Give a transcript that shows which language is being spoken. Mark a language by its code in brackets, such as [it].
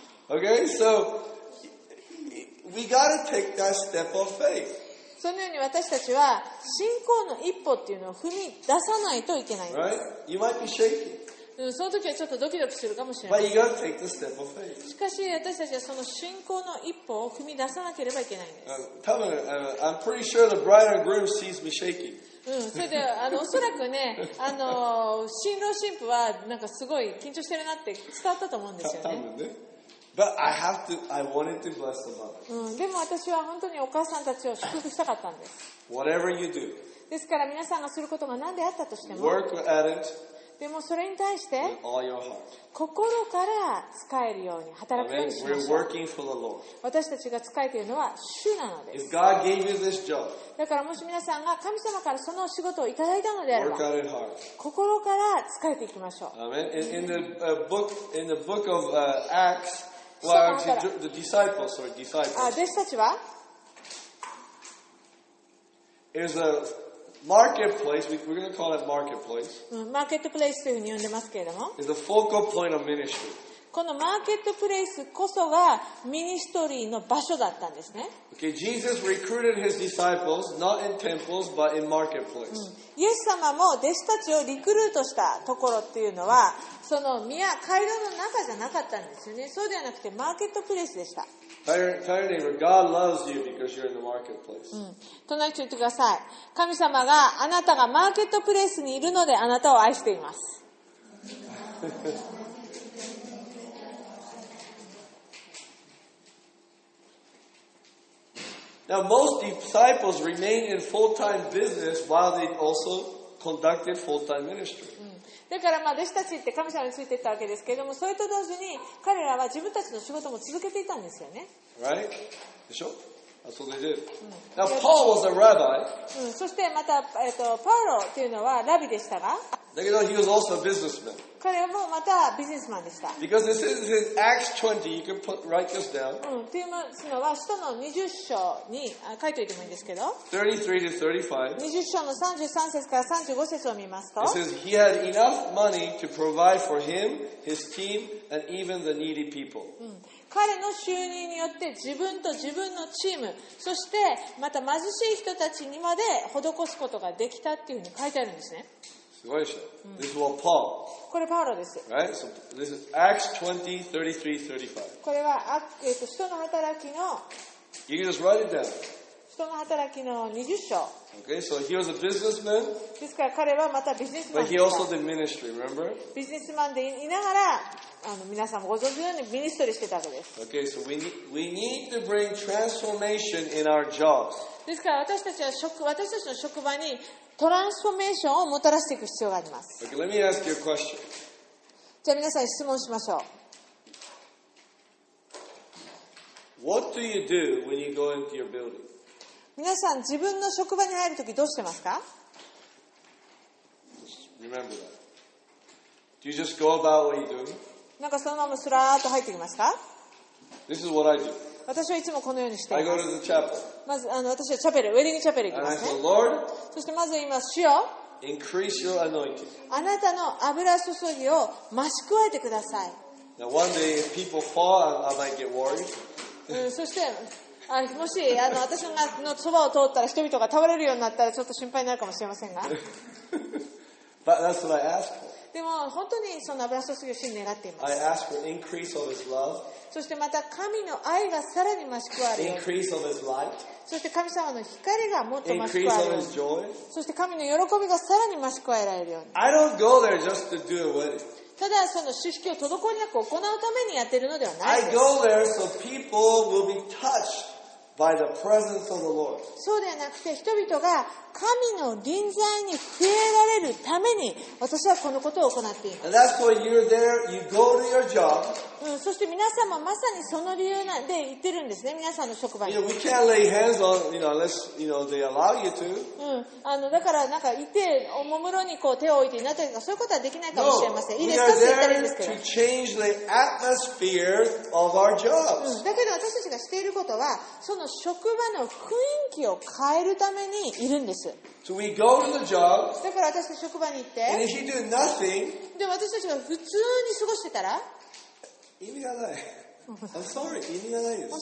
[en] okay, so we gotta take that step of faith. [ja] そのように私たちは信仰の一歩っていうのを踏み出さないといけないんです。 [en] Right? You might be shaking. [ja] その時はちょっとドキドキするかもしれません。 [en] But you gotta take the step of faith. [ja] しかし私たちはその信仰の一歩を踏み出さなければいけないんです。多分、 [en] I'm pretty sure the bride and groom sees me shaking. [ja] それでおそらくね、新郎新婦はなんかすごい緊張してるなって伝わったと思うんですよね。多分ね。 [en] But I have to, I wanted to bless the mother. [ja] でも私は本当にお母さんたちを祝福したかったんです。 [en] Whatever you do. [ja] ですから皆さんがすることが何であったとしても [en] Work at it, [ja] でもそれに対して心から使えるように働くようにしましょう。私たちが使えているのは主なのです。 [en] If God gave you this job, [ja] だからもし皆さんが神様からその仕事をいただいたのであれば [en] Work at it hard. [ja] 心から使えていきましょう。 [en] Amen. In the book, in the book of Acts, well, actually, the disciples, sorry, disciples. [ja] 弟子たちは [en] Is a marketplace. We're going to call it marketplace. [ja] Marketplace というふうに呼んでますけれども。 [en] Is a focal point of ministry. [ja] このマーケットプレイスこそがミニストリーの場所だったんですね。 [en] Okay, Jesus recruited his disciples not in temples but in marketplace. [ja] イエス様も弟子たちをリクルートしたところっていうのは、その宮、回廊の中じゃなかったんですよね。そうではなくてマーケットプレイスでした。隣に言ってください。神様があなたがマーケットプレイスにいるのであなたを愛しています。 [en] Now, most disciples remained in full-time business while they also conducted full-time ministry. [ja] だからまあ弟子たちって神様についていったわけですけれども、それと同時に彼らは自分たちの仕事も続けていたんですよね。 [en] Right? [ja] でしょ? [en] That's what they did. Now, Paul was a rabbi. [ja] そしてまた、パウロというのはラビでしたが、だけど [en] he was also a businessman. [ja] 彼もまたビジネスマンでした。 [en] Because this is in Acts 20, you can put, write this down. [ja] というのは使徒の20章に書いておいてもいいんですけど、 [en] 33-35. 20 [ja] 章の33節から35節を見ますと、 [en] It says, he had enough money to provide for him, his team, and even the needy people. [ja] 彼の収入によって自分と自分のチーム、そしてまた貧しい人たちにまで施すことができたっていうふうに書いてあるんですね。すごいでしょ。 [en] This was Paul. [ja] これパウロです。 [en] Right? So this is Acts 20:33-35. [ja] これは使徒の働きの。 [en] You can just write it down. [ja] 使徒の働きの20章。 [en] Okay, so he was a businessman. [ja] ですから彼はまたビジネスマンでした。 [en] But he also did ministry, remember? [ja] ビジネスマンでいながら、皆さんもご存知のようにミニストリーしてたわけです。 [en] Okay, so we need to bring transformation in our jobs. [ja] ですから私たちの職場にトランスフォーメーションをもたらしていく必要があります。 [en] Okay, let me ask you a question. [ja] じゃあ皆さん質問しましょう。 [en] What do you do when you go into your building? [ja] 皆さん自分の職場に入るときどうしてますか? [en] Just remember that. Do you just go about what you're doing? [ja] なんかそのままスラーッと入ってきますか? [en] This is what I do. [ja] 私はいつもこのようにしています。 [en] I go to the chapel. [ja] まず私はチャペル、ウェディングチャペル行きますね。 [en] And I say, Lord, [ja] そしてまず言います、主よ、 [en] increase your anointing. [ja] あなたの油注ぎを増し加えてください。 [en] Now, one day, if people fall, I might get worried. [ja] そしてもし私のそばを通ったら人々が倒れるようになったらちょっと心配になるかもしれませんが。 [en] But that's what I ask for. [ja] でも本当にその油注ぎを主に願っています。 [en] I ask for increase of his love. [ja] そしてまた神の愛がさらに増し加わる。 [en] Increase of his light. [ja] そして神様の光がもっと増し加わる。 [en] Increase of his joy. [ja] そして神の喜びがさらに増し加えられるように。 [en] I don't go there just to do a wedding. [ja] ただその式を滞りなく行うためにやっているのではないです。 [en] I go there so people will be touched. By the presence of the Lord. [ja] そうではなくて人々が神の臨在に触れられるために私はこのことを行っています。 [en] And that's why you're there. You go to your job. [ja] そして皆さんもまさにその理由で言ってるんですね。皆さんの職場に。 [en] You know, we can't lay hands on, you know, unless, you know, they allow you to. [ja] だからなんかいておもむろにこう手を置いていなったりとかそういうことはできないかもしれません。 [en] No, [ja] いいですか？ [en] We are there to change the atmosphere of our jobs. [ja] だけど私たちがしていることはその職場の雰囲気を変えるためにいるんです。 [en] So、we go to the job, [ja] だから私たち職場に行って、 [en] and if you do nothing, [ja] で私たちが普通に過ごしてたら、意味がない。 [en] I'm sorry, [ja] 意味がないです。